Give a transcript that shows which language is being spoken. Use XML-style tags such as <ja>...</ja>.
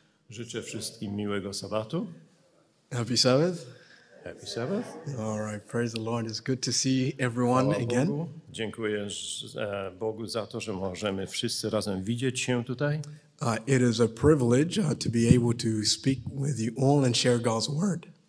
<pl>Życzę wszystkim miłego sabatu.</pl> <en>Happy Sabbath. Happy Sabbath. All right, praise the Lord. It's good to see everyone again.</en> <pl>Dziękuję Bogu za to, że możemy wszyscy razem widzieć się tutaj.</pl> <en>It is a privilege to be able to speak with you all and share God's word.</en>